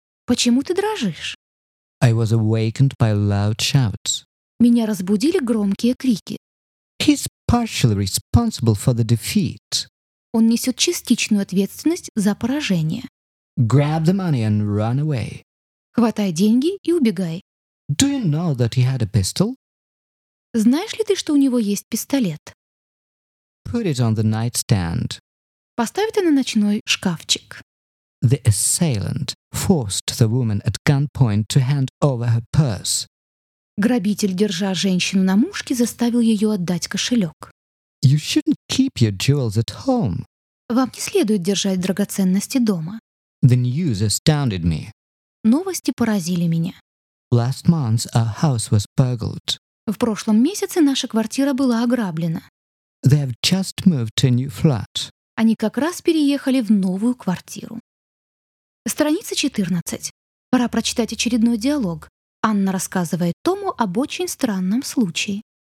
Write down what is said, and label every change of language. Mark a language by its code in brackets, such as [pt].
[ru] Почему ты дрожишь? [en] I was awakened by loud shouts. [ru] Меня разбудили громкие крики. [en] He's partially responsible for the defeat. [ru] Он несет частичную ответственность за поражение. [en] Grab the money and run away. [ru] Хватай деньги и убегай. [en] Do you know that he had a pistol? [ru] Знаешь ли ты, что у него есть пистолет? [en] Put it on the nightstand. [ru] Поставь это на ночной шкафчик. [en] The assailant forced the woman at gunpoint to hand over her purse. [ru] Грабитель, держа женщину на мушке, заставил ее отдать кошелек. [en] You shouldn't keep your jewels at home. [ru] Вам не следует держать драгоценности дома. [en] The news astounded me. [ru] Новости поразили меня. [en] Last month our house was burgled. [ru] В прошлом месяце наша квартира была ограблена. [en] They have just moved to a new flat. [ru] Они как раз переехали в новую квартиру. Страница 14. Пора прочитать очередной диалог. Анна рассказывает Тому об очень странном случае.